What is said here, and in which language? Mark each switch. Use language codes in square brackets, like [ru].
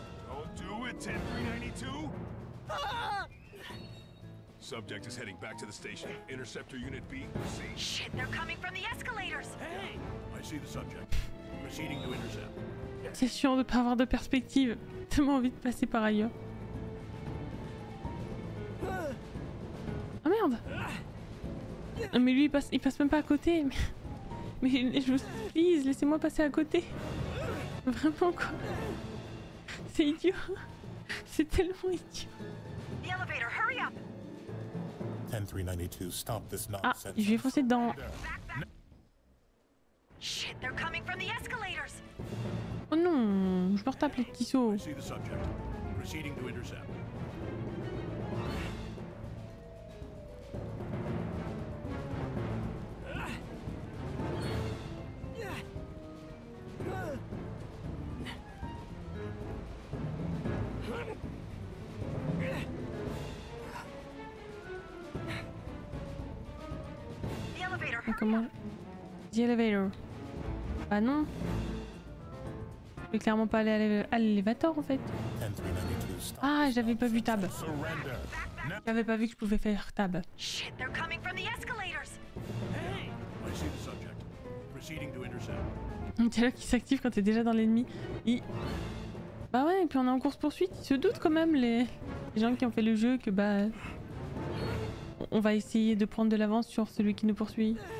[en] Don't do it, 10392. Subject is heading back to the station. Interceptor unit B, C. Shit, they're coming from the escalators! Hey! I see the subject. Proceeding to intercept. [fr] C'est chiant de pas avoir de perspective. Tellement envie de passer par ailleurs. Oh merde! Mais lui, il passe même pas à côté. Mais je vous please, laissez-moi passer à côté. Vraiment quoi? C'est idiot. C'est tellement idiot. [en] The elevator, hurry up! 10392, stop this nonsense. [fr] Ah, je vais foncer dedans. [en] Shit, they're coming from the escalators. [fr] Oh non, je me retape les petits sauts. I see the subject. Proceeding to intercept. Comment... [en] The elevator. [fr] Bah non. Je vais clairement pas aller à l'élévateur en fait. Ah, j'avais pas vu tab. J'avais pas vu que je pouvais faire tab. [en] Shit, they're coming from the escalators. Hey, I see the subject. Proceeding to intercept. [fr] Un dialogue qui s'active quand t'es déjà dans l'ennemi. Il... Bah ouais, et puis on est en course poursuite. Ils se doutent quand même, les gens qui ont fait le jeu, que bah... On va essayer de prendre de l'avance sur celui qui nous poursuit.